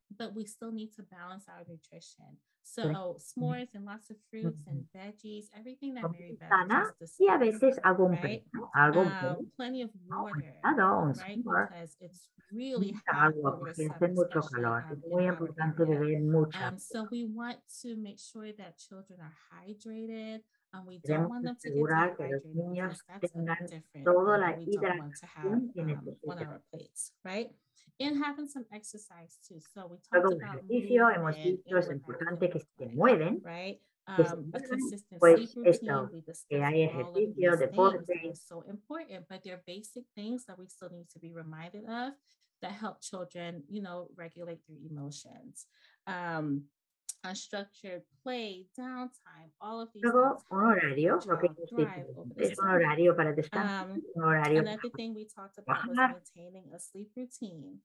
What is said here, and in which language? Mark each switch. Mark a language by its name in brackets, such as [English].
[English] But we still need to balance our nutrition. So s'mores and lots of fruits and veggies, everything that Mary Beth just discussed, right? Plenty of water, right? Because it's really hot. So we want to make sure that children are hydrated. [Spanish] Tenemos que asegurar que los niños tengan toda la hidratación que necesitan. Luego, el ejercicio, hemos dicho, es importante que se mueven. Que se mueven, pues esto, que hay ejercicio, deporte. [English] So important, but there are basic things that we still need to be reminded of that help children, you know, regulate their emotions. Unstructured play, downtime, all of these. [Spanish] Luego, un horario, lo que es un horario para descansar, un horario. [English] Another thing we talked about was maintaining a sleep routine.